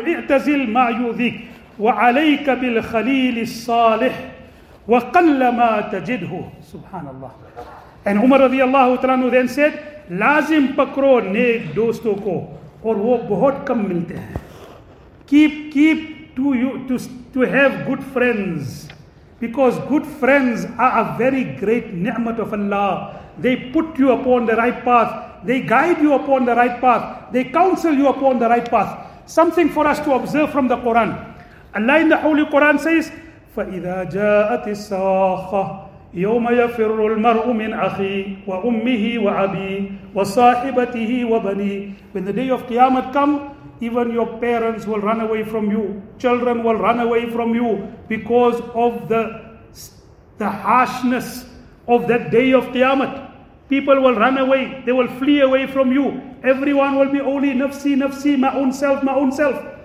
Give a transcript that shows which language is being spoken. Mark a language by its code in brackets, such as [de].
[ar] اِعْتَزِلْ مَا يُؤْذِيكَ وَعَلَيْكَ بِالْخَلِيلِ الصَّالِحِ وَقَلَّمَا تَجِدْهُ Subhanallah. [en] And Umar radiallahu ta'ala then said, [ur] لازم پکرو نیک دوستوں کو اور وہ بہت کم ملتے ہیں. [en] Keep to you to have good friends, because good friends are a very great ni'mat of Allah. They put you upon the right path, they guide you upon the right path, they counsel you upon the right path. Something for us to observe from the Quran. Allah in the Holy Quran says, [ar] فَإِذَا جَاءَتِ السَّاخَّةِ يَوْمَ يَفِرُّ الْمَرْءُ مِنْ أَخِي وَأُمِّهِ وَعَبِي وَصَاحِبَتِهِ وَبَنِي. [en] When the day of Qiyamah come, even your parents will run away from you, children will run away from you because of the harshness of that day of Qiyamah. People will run away, they will flee away from you. Everyone will be only nafsi, nafsi, my own self.